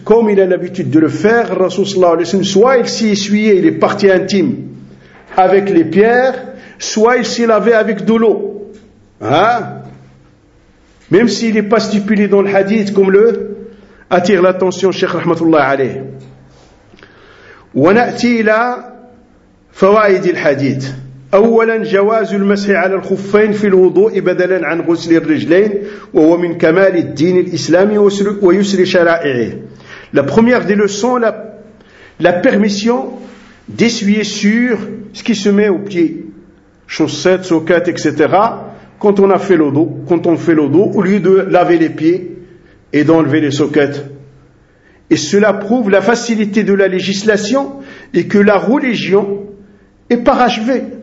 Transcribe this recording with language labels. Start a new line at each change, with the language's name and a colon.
French: Comme il a l'habitude de le faire, Rasoul sallallahu alayhi wa sallam, soit il s'est essuyé, il est parti intime avec les pierres, soit il s'est lavé avec de l'eau. Hein? Même s'il n'est pas stipulé dans le hadith, comme le attire l'attention Cheikh rahmatullah alayh.
Arabic: Wa na'ti ila fawaid al-hadith. أولا جواز المسح على الخفين في الوضوء بدلا عن غسل الرجلين وهو من كمال الدين الإسلامي ويسر شرائعه.
French: La première des leçons, la permission d'essuyer sur ce qui se met aux pieds, chaussettes, sockets, etc. Quand on a fait l'eau, quand on fait l'eau, au lieu de laver les pieds et d'enlever les sockets. Et cela prouve la facilité de la législation et que la religion est parachevée.